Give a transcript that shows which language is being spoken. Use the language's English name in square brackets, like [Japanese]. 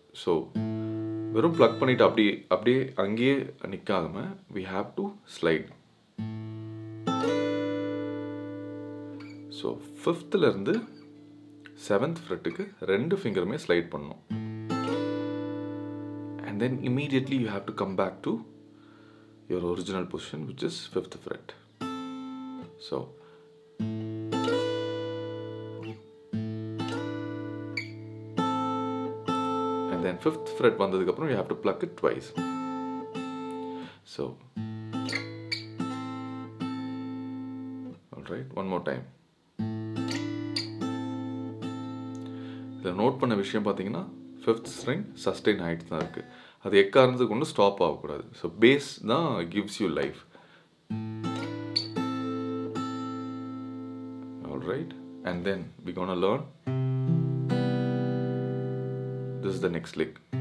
[Tamil] So வெறும் plug பண்ணிவிட்டு அப்படியே அங்கேயே நிற்காம [English] We have to slide. [Tamil] So ஃபிஃப்த்லேருந்து seventh ஃப்ரெட்டுக்கு ரெண்டு ஃபிங்கருமே ஸ்லைட் பண்ணணும். [English] And then immediately you have to come back to your original position, which is 5th fret. So, and then 5th fret [Tamil] vandhadhuk apparam, [English] you have to pluck it twice. So, alright, one more time. [Tamil] இதில் note பண்ண விஷயம் பார்த்தீங்கன்னா, fifth string sustain ஆகிட்டு தான் இருக்குது. அது எக்கா இருந்தது கொண்டு ஸ்டாப் ஆகக்கூடாது. ஸோ பேஸ் தான் [English] Gives you life. All right, and then we gonna learn this is the next lick.